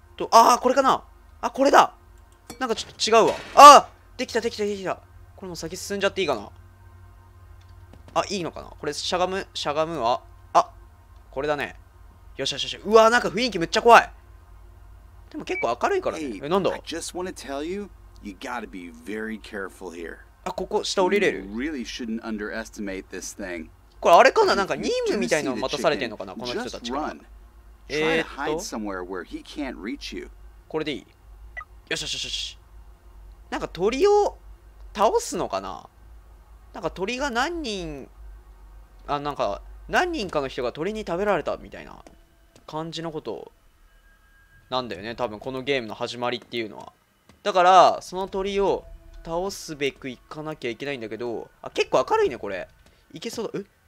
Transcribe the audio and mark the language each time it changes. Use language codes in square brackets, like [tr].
[ja] ああ、これかな、あ、これだ、なんかちょっと違うわ。あー、できたできたできた、これも先進んじゃっていいかな。あ、いいのかな、これしゃがむ、しゃがむは、あ、これだね、よしよしよし。うわー、なんか雰囲気めっちゃ怖い。でも結構明るいからね。え、なんだ？ [en] I just want to tell you, you gotta be very careful here. [ja] あ、ここ下降りれる？ [en] You really shouldn't underestimate this thing. [ja] これあれかな？なんか任務みたいなの待たされてんのかな？この人たちが。 [en] Try to hide somewhere where he can't reach you. [ja] これでいい。よしよしよしよし。なんか鳥を倒すのかな？なんか鳥が何人、あ、なんか何人かの人が鳥に食べられたみたいな感じのことを。なんだよね、多分このゲームの始まりっていうのは。だからその鳥を倒すべく行かなきゃいけないんだけど、あ、結構明るいねこれ、いけそうだ。